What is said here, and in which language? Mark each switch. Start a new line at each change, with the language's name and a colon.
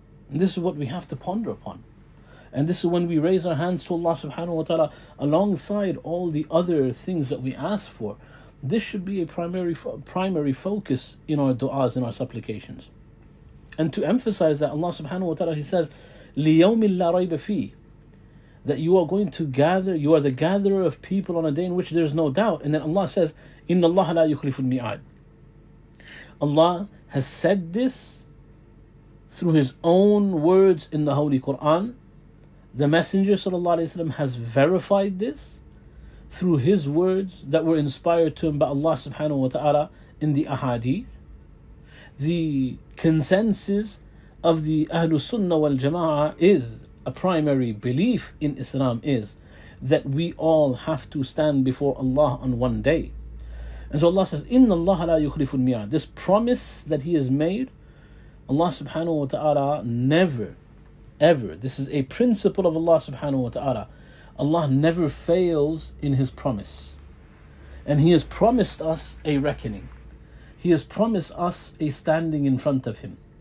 English: And this is what we have to ponder upon. And this is when we raise our hands to Allah subhanahu wa ta'ala alongside all the other things that we ask for. This should be a primary focus in our du'as, in our supplications. And to emphasize that, Allah subhanahu wa ta'ala, He says,
Arabic: لِيَوْمِ اللَّا رَيْبَ فِيهِ,
English: that you are going to gather, you are the gatherer of people on a day in which there is no doubt.
Arabic: And then Allah says, إِنَّ اللَّهَ لَا يُخْلِفُ الْمِيعَادِ.
English: Allah has said this through His own words in the Holy Qur'an. The Messenger sallallahu alayhi wa sallam has verified this through his words that were inspired to him by Allah subhanahu wa ta'ala in the ahadith. The consensus of the Ahlu Sunnah wal Jama'ah is, a primary belief in Islam is, that we all have to stand before Allah on one day.
Arabic: And so Allah says, إِنَّ اللَّهَ لَا يُخْلِفُ الْمِيعَادِ.
English: This promise that He has made, Allah subhanahu wa ta'ala never, ever, this is a principle of Allah subhanahu wa ta'ala, Allah never fails in His promise. And He has promised us a reckoning. He has promised us a standing in front of Him.